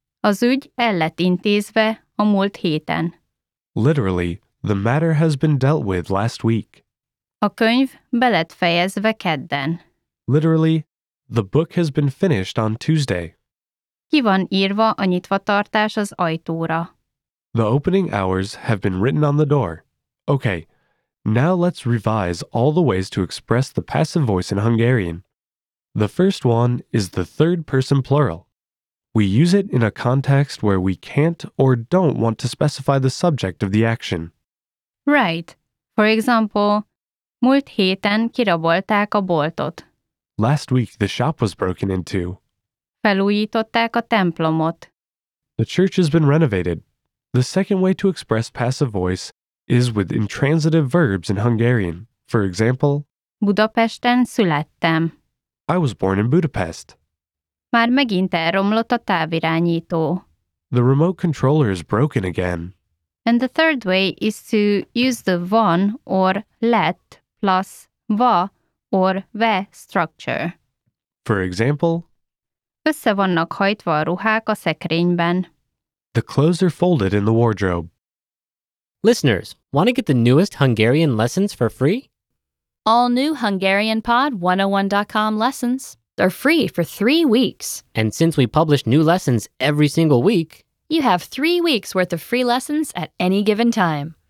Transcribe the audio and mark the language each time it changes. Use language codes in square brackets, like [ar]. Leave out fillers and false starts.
[hu] Az ügy el lett intézve a múlt héten. [en] Literally, the matter has been dealt with last week. [hu] A könyv be lett fejezve kedden. [en] Literally, the book has been finished on Tuesday. [hu] Ki van írva a nyitvatartás az ajtóra. [en] The opening hours have been written on the door. Okay, now let's revise all the ways to express the passive voice in Hungarian. The first one is the third person plural. We use it in a context where we can't or don't want to specify the subject of the action. Right. For example, [hu] múlt héten kirabolták a boltot. [en] Last week the shop was broken into. [hu] Felújították a templomot. [en] The church has been renovated. The second way to express passive voice is with intransitive verbs in Hungarian. For example, [hu] Budapesten születtem. [en] I was born in Budapest. [hu] Már megint elromlott a távirányító. [en] The remote controller is broken again. And the third way is to use the van or lett plus va or ve structure. For example, [hu] össze vannak hajtva a ruhák a szekrényben. [en] The clothes are folded in the wardrobe. Listeners, want to get the newest Hungarian lessons for free? All new HungarianPod101.com lessons are free for 3 weeks. And since we publish new lessons every single week, you have 3 weeks worth of free lessons at any given time.